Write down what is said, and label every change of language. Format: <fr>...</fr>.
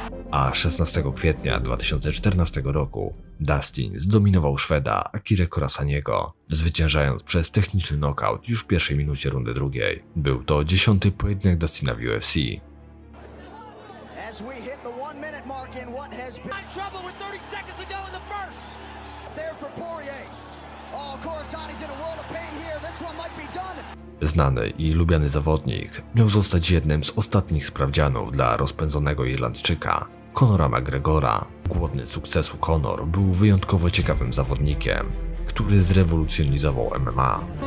<pl>A 16 kwietnia 2014 roku Dustin zdominował Szweda Akirę Korasaniego, zwyciężając przez techniczny knockout już w pierwszej minucie rundy drugiej. Był to 10 pojedynek Dustina w UFC.</pl> <en>As we hit the 1 minute mark in what has been trouble with 30 seconds to go in the first. There for Poirier. Oh, Korasani's in a world of pain here. This one might be done.</en> <pl>Znany i lubiany zawodnik miał zostać jednym z ostatnich sprawdzianów dla rozpędzonego Irlandczyka, Conora McGregora. Głodny sukcesu Conor był wyjątkowo ciekawym zawodnikiem, który zrewolucjonizował MMA.</pl>